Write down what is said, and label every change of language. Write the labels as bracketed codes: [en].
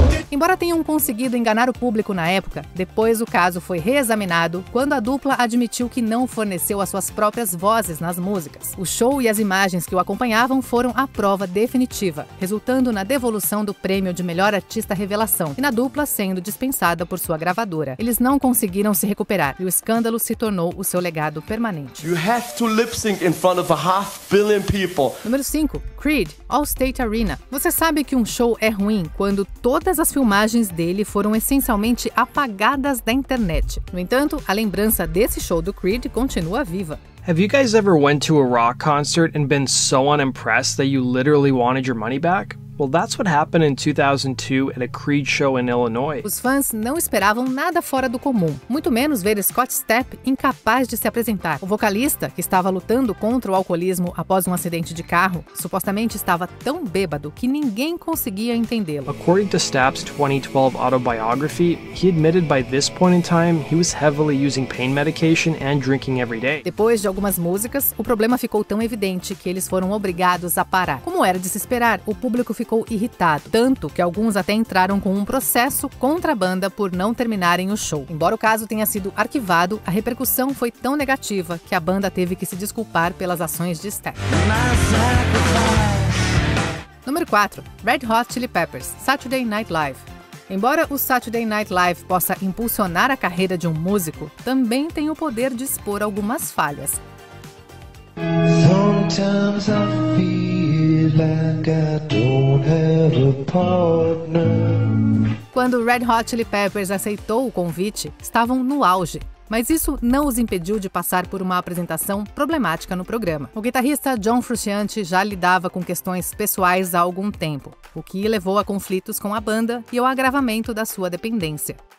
[pt] Embora tenham conseguido enganar o público na época, depois o caso foi reexaminado quando a dupla admitiu que não forneceu as suas próprias vozes nas músicas. O show e as imagens que o acompanhavam foram a prova definitiva, resultando na devolução do prêmio de melhor artista revelação e na dupla sendo dispensada por sua gravadora. Eles não conseguiram se recuperar e o escândalo se tornou o seu legado permanente. [en] You have to lip-sync in front of a half billion people. [pt] Número 5. Creed, Allstate Arena. Você sabe que um show é ruim quando todas as filmagens dele foram essencialmente apagadas da internet. No entanto, a lembrança desse show do Creed continua viva. [en] Have you guys ever went to a rock concert and been so unimpressed that you literally wanted your money back? Well, that's what happened in 2002 at a Creed show in Illinois. [pt] Os fãs não esperavam nada fora do comum, muito menos ver Scott Stapp incapaz de se apresentar. O vocalista, que estava lutando contra o alcoolismo após um acidente de carro, supostamente estava tão bêbado que ninguém conseguia entendê-lo. [en] According to Stapp's 2012 autobiography, he admitted by this point in time he was heavily using pain medication and drinking every day. [pt] Depois de algumas músicas, o problema ficou tão evidente que eles foram obrigados a parar. Como era de se esperar, o público ficou irritado, tanto que alguns até entraram com um processo contra a banda por não terminarem o show. Embora o caso tenha sido arquivado, a repercussão foi tão negativa que a banda teve que se desculpar pelas ações de Stapp. Número 4. Red Hot Chili Peppers, Saturday Night Live. Embora o Saturday Night Live possa impulsionar a carreira de um músico, também tem o poder de expor algumas falhas. [en] Sometimes I feel like I don't have a partner. [pt] Quando Red Hot Chili Peppers aceitou o convite, estavam no auge. Mas isso não os impediu de passar por uma apresentação problemática no programa. O guitarrista John Frusciante já lidava com questões pessoais há algum tempo, o que levou a conflitos com a banda e ao agravamento da sua dependência.